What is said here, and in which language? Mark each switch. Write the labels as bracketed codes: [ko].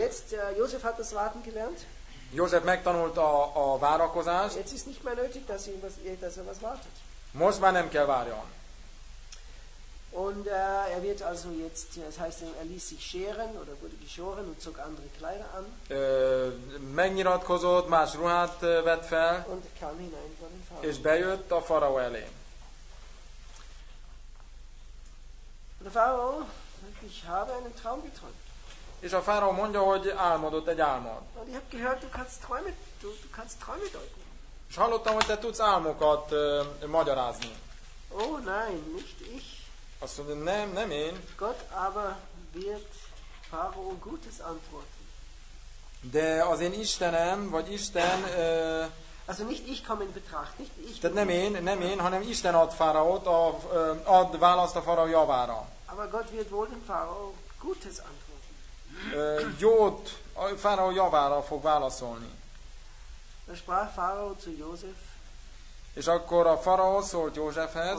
[de] Jetzt Josef hat das Warten gelernt. [hu] József megtanult a várakozást. [de] Jetzt ist nicht mehr nötig, dass er was, wartet. [hu] Most már nem kell várjon. [de] Und er wird also jetzt, das heißt, er ließ sich scheren oder wurde geschoren und zog andere Kleider an. [hu] Megnyilatkozott, más ruhát vett fel. [de] Und kam hinein vor den Pharao. [hu] És bejött a faraó elé. [de] Und a Pharao, ich habe einen Traum geträumt. [hu] És a faraó mondja, hogy álmodott egy álmod. [de] Und ich habe gehört, du kannst Träume deuten. [hu] És hallottam, hogy te tudsz álmokat magyarázni. [de] Oh nein, nicht ich. [hu] Azt mondja, nem én. [de] Gott aber wird Pharao Gutes antworten. [hu] De az én Istenem, vagy Isten... [de] Also nicht ich komme in Betracht, nicht ich... [hu] Tehát nem én, hanem Isten ad Pharaót, ad választ a Pharao javára. [de] Aber Gott wird wohl dem Pharao Gutes antworten. [hu] Jót, a Pharao javára fog válaszolni. [de] Da sprach Pharao zu Josef. [hu] És akkor a Pharao szólt Józsefhez.